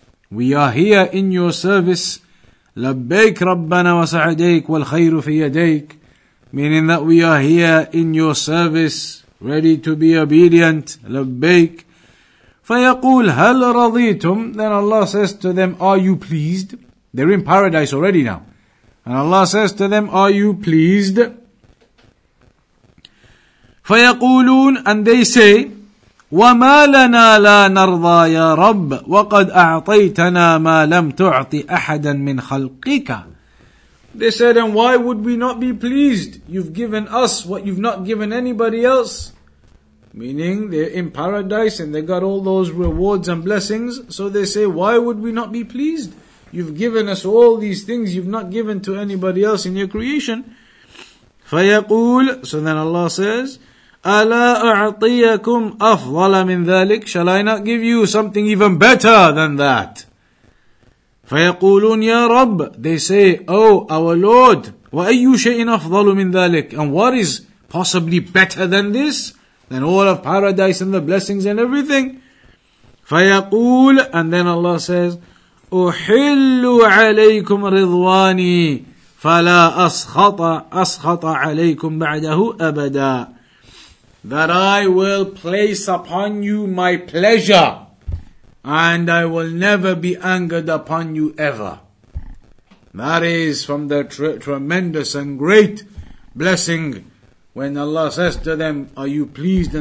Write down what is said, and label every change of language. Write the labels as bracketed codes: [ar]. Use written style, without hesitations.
[en] We are here in your service. Labbaik Rabbana wa sa'adayk wal khayru fi yadayk, meaning that we are here in your service, ready to be obedient. Labbaik. Fayaqul hal raditum. Then Allah says to them, are you pleased? They're in paradise already now. And Allah says to them, are you pleased? [ar] فيقولون, and they say, وما لنا لا نرضى يا رب وقد أعطيتنا ما لم تعطي أحدا من خلقك. [en] They said, and why would we not be pleased? You've given us what you've not given anybody else. Meaning they're in paradise and they got all those rewards and blessings. So they say, why would we not be pleased? You've given us all these things you've not given to anybody else in your creation. [ar] فيقول, so then Allah says, ألا أعطيكم أفضل من ذلك? [en] Shall I not give you something even better than that? [ar] فيقولون يا رب, they say, oh, our Lord, وأي شيء أفضل من ذلك? [en] And what is possibly better than this? Than all of paradise and the blessings and everything? [ar] فيقول, and then Allah says, أحل عليكم رضواني فلا أسخط عليكم بعده أبدا. [en] That I will place upon you my pleasure, and I will never be angered upon you ever. That is from the tremendous and great blessing when Allah says to them, are you pleased?